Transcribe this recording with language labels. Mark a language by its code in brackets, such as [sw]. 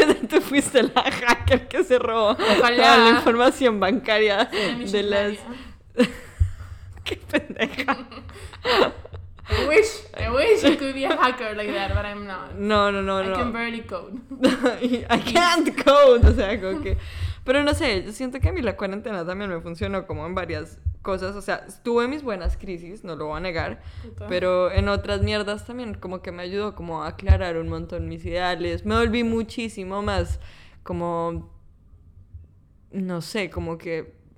[es] Tú fuiste la hacker que se robó toda la información bancaria de las... ¡Qué pendeja! [en] I wish you could be a hacker like that, but I'm not. No. I can barely code. I can't code, [es] o sea, como que... Pero no sé, yo siento que a mí la cuarentena también me funcionó como en varias cosas. O sea, tuve mis buenas crisis, no lo voy a negar. Pero en otras mierdas también como que me ayudó como a aclarar un montón mis ideales. Me volví muchísimo más como... No sé, como que...